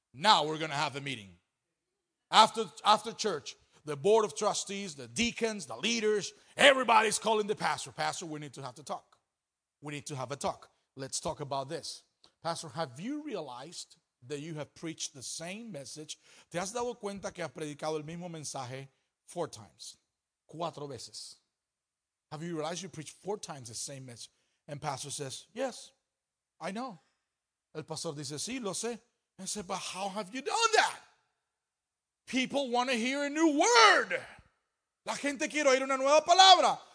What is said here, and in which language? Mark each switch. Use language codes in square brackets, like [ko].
[en] Now we're going to have a meeting. After church, the board of trustees, the deacons, the leaders, everybody's calling the pastor. Pastor, we need to have to talk. We need to have a talk. Let's talk about this. Pastor, have you realized that you have preached the same message? [es] ¿Te has dado cuenta que has predicado el mismo mensaje [en] four times? [es] Cuatro veces. [en] Have you realized you preached four times the same message? And pastor says, yes, I know. [es] El pastor dice, sí, lo sé. [en] I said, but how have you done that? People want to hear a new word. [es] La gente quiere oír una nueva palabra.